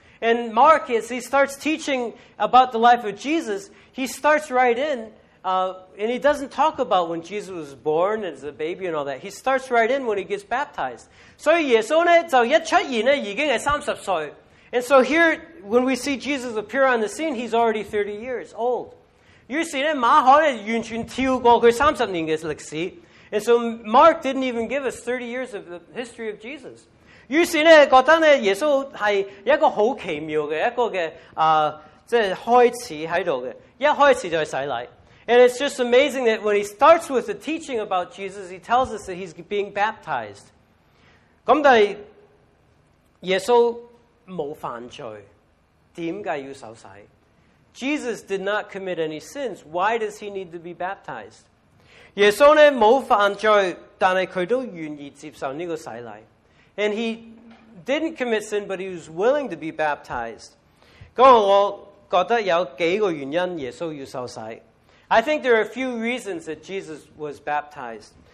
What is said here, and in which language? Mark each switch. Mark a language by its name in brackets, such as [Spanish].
[English] And Mark, as he starts teaching about the life of Jesus, he starts right in, and he doesn't talk about when Jesus was born as a baby and all that. He starts right in when he gets baptized. [Chinese] 所以耶稣呢,就一出现呢,已经是30岁. [English] And so here, when we see Jesus appear on the scene, he's already 30 years old. [Chinese] 于是呢,马可完全跳过他30年的历史. [English] And so Mark didn't even give us 30 years of the history of Jesus. [Chinese] 于是呢,觉得呢,耶稣是一个很奇妙的,一个开始在这里的,一开始就是洗礼. [English] And it's just amazing that when he starts with the teaching about Jesus, he tells us that he's being baptized. [Chinese] 但是耶稣没犯罪,为什么要受洗? [English] Jesus did not commit any sins. Why does he need to be baptized? [Chinese] 耶稣呢,没犯罪,但是他都愿意接受这个洗礼. [English] And he didn't commit sin, but he was willing to be baptized. [Chinese] 我觉得有几个原因耶稣要受洗. [English] I think there are a few reasons that Jesus was baptized.